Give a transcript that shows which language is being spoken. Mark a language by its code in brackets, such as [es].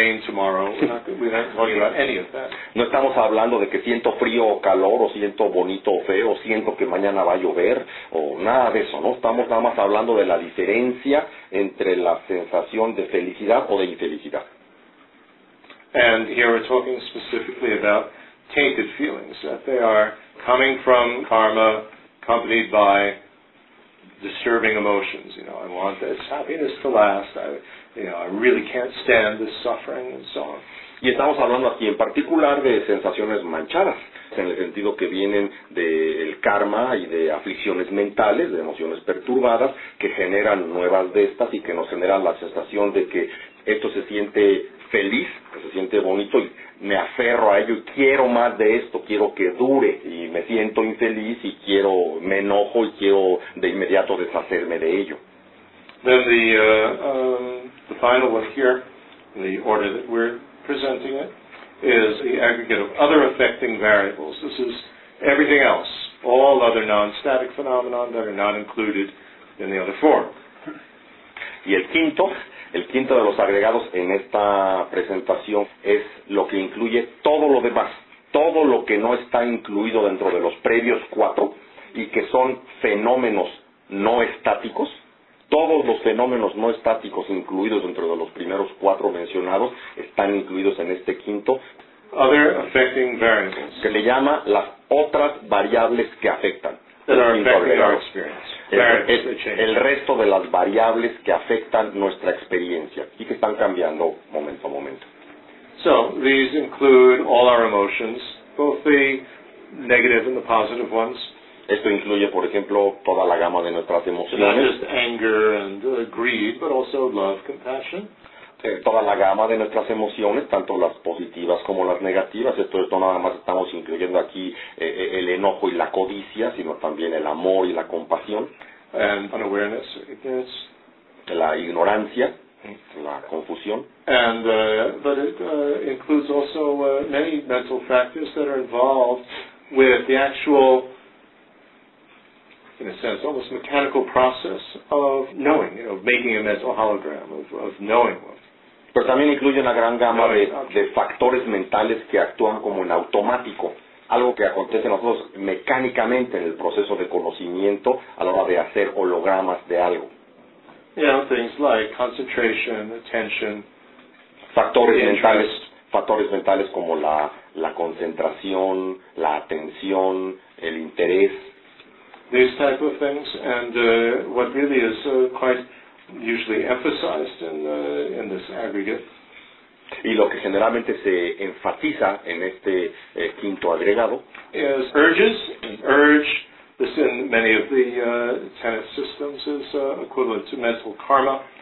[es] no estamos hablando de que siento frío o calor, o siento bonito o feo, o siento que mañana va a llover, o nada de eso, ¿no? Estamos nada más hablando de la diferencia entre la sensación de felicidad o de infelicidad. [en] And here we're talking specifically about tainted feelings, that they are coming from karma, accompanied by disturbing emotions. You know, I want this happiness to last. I really can't stand this suffering and so on. [es] Y estamos hablando aquí en particular de sensaciones manchadas, en el sentido que vienen del karma y de aflicciones mentales, de emociones perturbadas, que generan nuevas de estas y que nos generan la sensación de que esto se siente feliz, que se siente bonito y me aferro a ello y quiero más de esto, quiero que dure y me siento infeliz y quiero, me enojo y quiero de inmediato deshacerme de ello. [en] Then the final one here, in the order that we're presenting it, is the aggregate of other affecting variables. This is everything else, all other non-static phenomena that are not included in the other four. [es] Y el quinto de los agregados en esta presentación es lo que incluye todo lo demás, todo lo que no está incluido dentro de los previos cuatro y que son fenómenos no estáticos. Todos los fenómenos no estáticos incluidos dentro de los primeros cuatro mencionados están incluidos en este quinto. [en] Other affecting variables. [es] Que le llama las otras variables que afectan. [en] That are affecting our experience. [es] El resto de las variables que afectan nuestra experiencia y que están cambiando momento a momento. [en] So, these include all our emotions, both the negative and the positive ones. [es] Esto incluye, por ejemplo, toda la gama de nuestras emociones. [en] Not just anger and greed, but also love, compassion. [es] Toda la gama de nuestras emociones, tanto las positivas como las negativas. Esto no nada más estamos incluyendo aquí el enojo y la codicia, sino también el amor y la compasión. [en] And unawareness, ignorance. [es] La ignorancia, la confusión. [en] And but it includes also many mental factors that are involved with the actual a sense, almost mechanical process of knowing, you know, making a mental hologram of knowing what. [es] Pero también incluye una gran gama de factores mentales que actúan como en automático, algo que acontece en nosotros mecánicamente en el proceso de conocimiento a la hora de hacer hologramas de algo. [en] Yeah, things like concentration, attention, [es] factores mentales como la concentración, la atención, el interés. [en] These type of things, and what really is quite usually emphasized in this aggregate. [es] Y lo que generalmente se enfatiza en este quinto agregado [en] is urges, and urge, this in many of the tenet systems is equivalent to mental karma.